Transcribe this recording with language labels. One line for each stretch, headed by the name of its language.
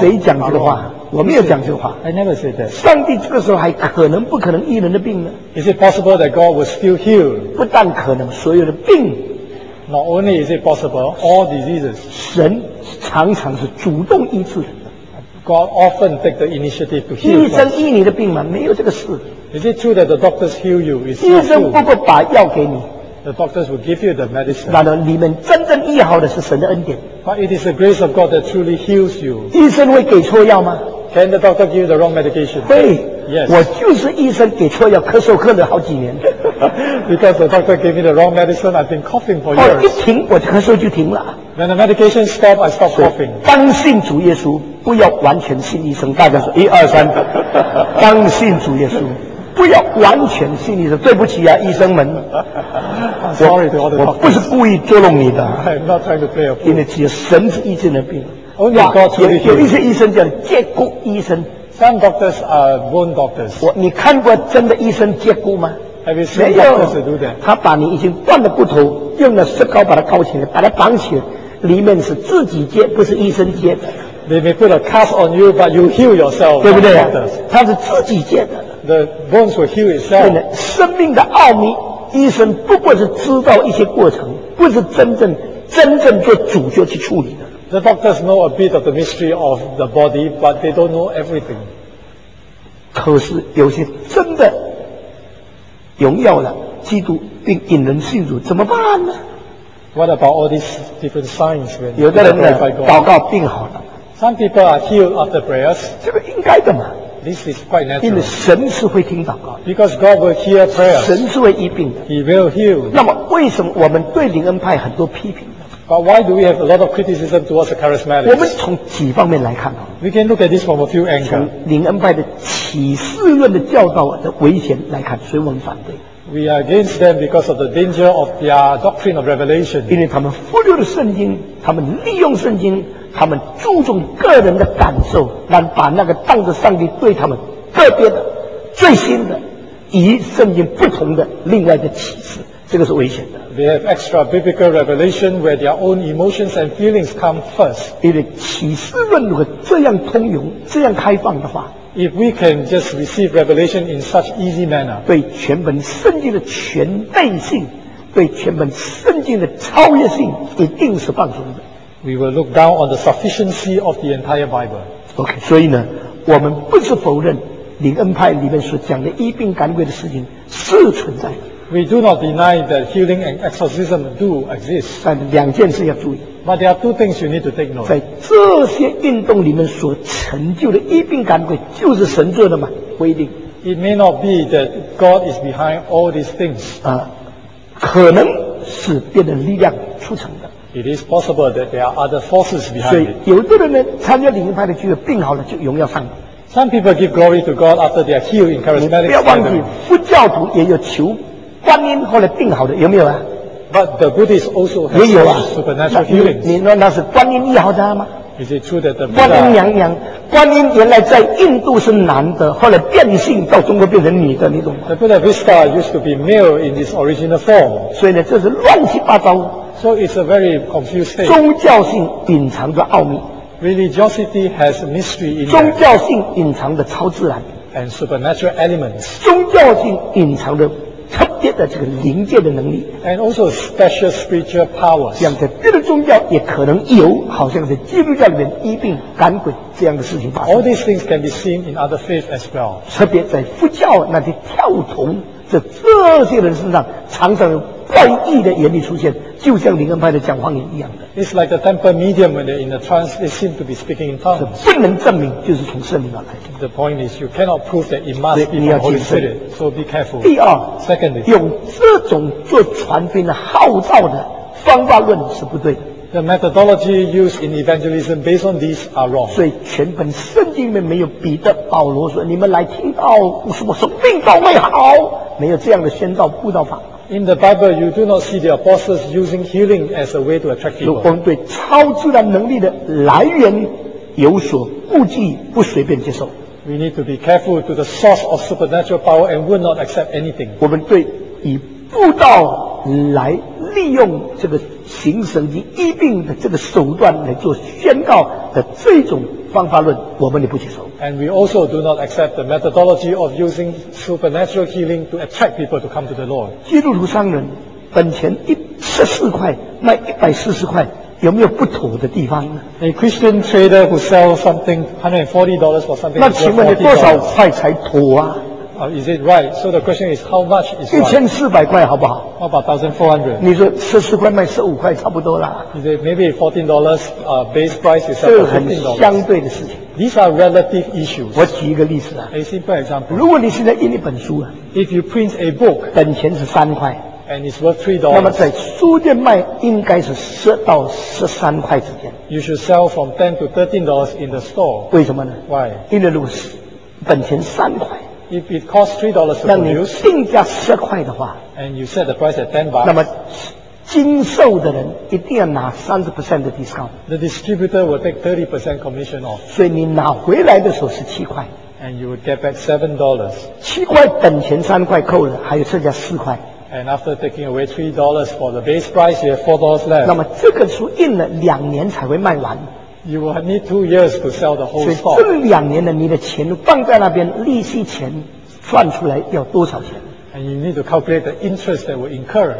Chinese: 谁讲这个话？我没有讲这个话。
English: I never said that.
Chinese: 上帝这个时候还可能不可能医人的病呢？
English: Is it possible that God will still heal?
Chinese: 不但可能，所有的病。
English: Not only is it possible, all diseases.
Chinese: 神常常是主动医治人的。
English: God often takes the initiative to heal.
Chinese: 医生医你的病吗？没有这个事。
English: Is it true that the doctors heal you?
Chinese: 医生不过把药给你。
English: The doctors will give you the medicine.
Chinese: 那你们真正医好的是神的恩典。
English: But it is the grace of God that truly heals you.
Chinese: 医生会给错药吗？
English: Can the doctor give you the wrong medication?
Chinese: 对，
English: yes.
Chinese: 我就是医生给错药，咳嗽咳了好几年。
English: Because the doctor gave me the wrong medicine, I've been coughing for years.
Chinese: 一停，我咳嗽就停了。
English: When the medication stopped, I stopped coughing.
Chinese: 当信主耶稣，不要完全信医生。大家说一二三，当信主耶稣。不要完全信你的，对不起啊，医生们。我不是故意捉弄你的。
English: I'm not trying to play a fool.
Chinese: 因为只有神是医治的病。
English: Only God can heal.
Chinese: 有一些医生叫借故医生。
English: Some doctors are bone doctors.
Chinese: 你看过真的医生借故吗？
English: Have you seen doctors do that?
Chinese: 他把你已经断了骨头，用了石膏把它铐起来，把它绑起来，里面是自己接，不是医生接的。
English: They may put a cast on you, but you heal yourself.
Chinese: 对不对、啊？他是自己接的。
English: The bones will heal itself.
Chinese: 生命的奥秘，医生不过是知道一些过程，不是真正做主角去处理的。
English: The doctors know a bit of the mystery of the body, but they don't know everything.
Chinese: 可是有些真的荣耀了基督，并引人信主，怎么办呢？
English: What about all these different signs? When
Chinese: 有的人呢，祷告病好了。
English: Some people are healed after prayers.
Chinese: 这个应该的嘛。
English: This is quite natural.
Chinese: 因为神是会听祷告的。
English: Because God will hear prayers.
Chinese: 神是会医病的。
English: He will heal.
Chinese: 那么为什么我们对灵恩派很多批评呢？
English: But why do we have a lot of criticism towards the charismatics?
Chinese: 我们从几方面来看啊。
English: We can look at this from a few angles.
Chinese: 从灵恩派的启示论的教导的危险来看，所以我们反对。
English: We are against them because of the danger of their doctrine of revelation.
Chinese: 因为他们忽略了圣经，他们利用圣经。他们注重个人的感受，但把那个当着上帝对他们个别的、最新的、与圣经不同的另外的启示，这个是危险的。
English: They have extra biblical revelation where their own emotions and feelings come first.
Chinese: 因为启示论如果这样通用、这样开放的话
English: If we can just receive revelation in such easy manner,
Chinese: 对全本圣经的全备性，对全本圣经的超越性，一定是帮助的。
English: We will look down on the sufficiency of the entire Bible.
Chinese: Okay, 所以呢，我们不是否认灵恩派里面所讲的医病赶鬼的事情是存在的。
English: We do not deny that healing and exorcism do exist.
Chinese: 但两件事要注意。
English: But there are two things you need to take note.
Chinese: 在这些运动里面所成就的医病赶鬼，就是神做的吗？不一定。
English: It may not be that God is behind all these things.
Chinese: 可能是别的力量促成的。
English: It is possible that there are other forces behind it.
Chinese: 所以有的人呢，参加灵恩派的聚会，病好了就荣耀上帝。
English: Some people give glory to God after they are healed in charismatic style.
Chinese: 你不要忘记，佛教徒也有求观音后来病好的，有没有啊？
English: But the Buddhist also has supernatural healings.
Chinese: 你说那是观音医好他吗？
English: Is it true that the Buddha...
Chinese: 观音娘娘，观音原来在印度是男的，后来变性到中国变成女的，你懂吗？
English: The Buddha Vista used to be male in its original form.
Chinese: 所以呢，这是乱七八糟。
English: So it's a very confused state.
Chinese: 宗教性隐藏着奥秘。
English: Religiosity has a mystery in it.
Chinese: 宗教性隐藏着超自然。
English: And supernatural elements.
Chinese: 宗教性隐藏着特别的这个灵界的能力。
English: And also special spiritual powers.
Chinese: 这样的别的宗教也可能有，好像是基督教里面医病赶鬼这样的事情发生。
English: All these things can be seen in other faiths as well.
Chinese: 特别在佛教那些跳童这些人身上常常有怪异的原理出现，就像灵恩派的讲方言一样的。
English: It's like the temple medium when they're in the trance, they seem to be speaking in tongues.
Chinese: 不能证明就是从圣灵而来的。
English: The point is, you cannot prove that it must be from Holy Spirit. So be careful.
Chinese: 第二
English: ，secondly，
Chinese: 用这种做传福音的号召的方法论是不对的。
English: The methodology used in evangelism based on these are wrong.
Chinese: 所以全本圣经里面没有彼得、保罗说你们来听到什么什么病道会好，没有这样的宣道布道法。
English: In the Bible, you do not see the apostles using healing as a way to attract people.
Chinese: 如果我们对超自然能力的来源有所顾忌，不随便接受。
English: We need to be careful to the source of supernatural power and will not accept anything.
Chinese: 我们对以布道来利用这个行神及医病的这个手段来做宣告的这种方法论，我们也不接受。
English: And we also do not accept the methodology of using supernatural healing to attract people to come to the Lord.
Chinese: 基督徒商人本钱14块卖140块，有没有不妥的地方呢？
English: A Christian trader who sells something $140 for something.
Chinese: 那请问你多少块才妥啊？
English: Is it right? So the question is, how much is right?
Chinese: 1400块，好不好？
English: How about 1400?
Chinese: 你说14块卖15块，差不多啦。
English: Is it maybe $14? Base price is $14.
Chinese: 这很相对的事情。
English: These are relative issues.
Chinese: 我举一个例子啊。
English: A simple example.
Chinese: 如果你现在印一本书啊
English: ，If you print a book,
Chinese: 本钱是3块
English: ，and it's worth $3.
Chinese: 那么在书店卖应该是10到13块之间。
English: You should sell from $10 to $13 in the store.
Chinese: 为什么呢
English: ？Why?
Chinese: 因为如果是本钱3块。
English: If it costs $3 to produce,
Chinese: 那你定价10块的话
English: ，and you set the price at $10,
Chinese: 那么经售的人一定要拿30% 的 discount.
English: The distributor will take 30% commission off.
Chinese: 所以你拿回来的时候是7块
English: ，and you will get back $7.
Chinese: 7块本钱3块扣了，还有剩下4块。
English: And after taking away $3 for the base price, you have $4 left.
Chinese: 那么这个书印了2年才会卖完。
English: You will need 2 years to sell the whole stock.
Chinese: 所以这2年呢，你的钱放在那边，利息钱赚出来要多少钱
English: ？And you need to calculate the interest that will incur.